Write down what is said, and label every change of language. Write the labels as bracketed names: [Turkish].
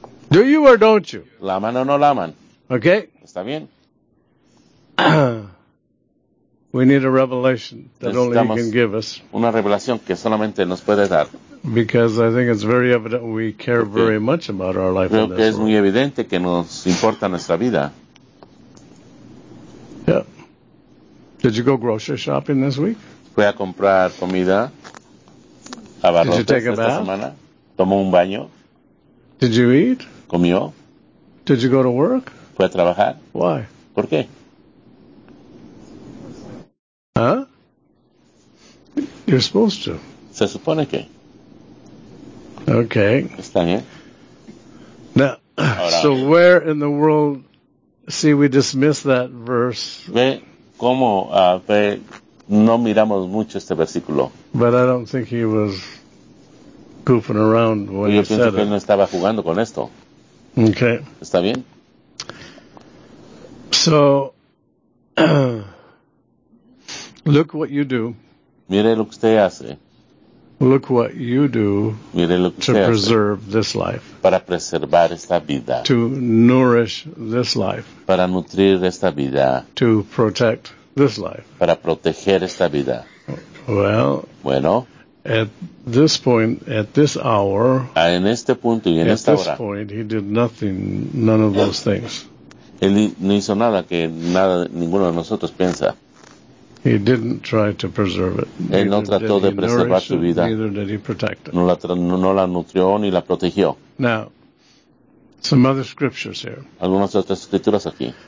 [English] Do you or don't you? [Spanish] ¿La aman o no la aman? [English] Okay. [Spanish] Está bien. [English] We need a revelation that only you can give us. [Spanish] Una revelación que solamente nos puede dar. [English] Because I think it's very evident we care very much about our life. [Spanish] Creo que es muy evidente que nos importa nuestra vida. [English] Yeah. Did you go grocery shopping this week? [Spanish] Fui a comprar comida. [English] Did you take a bath? [Spanish] Tomó un baño. [English] Did you eat? [Spanish] Comió. [English] Did you go to work? [Spanish] Fui a trabajar. [English] Why? [Spanish] ¿Por qué? [English] Huh? You're supposed to. [Spanish] Se supone que. [English] Okay. [Spanish] Está bien. [English] Now, so where in the world, see, we dismiss that verse. [Spanish] Ve cómo, ve, no miramos mucho este versículo. [English] But I don't think he was goofing around when he said it. [Spanish] Yo pienso que él no estaba jugando con esto. [English] Okay. [Spanish] Está bien. [English] So, look what you do. [Spanish] Mire lo que usted hace. [English] Look what you do to preserve this life. [Spanish] Para preservar esta vida. [English] To nourish this life. [Spanish] Para nutrir esta vida. [English] To protect this life. [Spanish] Para proteger esta vida. [English] Well, [Spanish] bueno, [English] at this point, at this hour, [Spanish] en este punto y en [English] at [Spanish] esta [English] this [Spanish] hora, [English] point, he did nothing, none of those things. [Spanish] Él no hizo nada que nada, ninguno de nosotros piensa. [English] He didn't try to preserve it. [Spanish] Él no trató de preservar su vida. [English] Neither did he protect it. [Spanish] No la nutrió ni la protegió. [English] Now, some other scriptures here. [Spanish] Algunas otras escrituras aquí.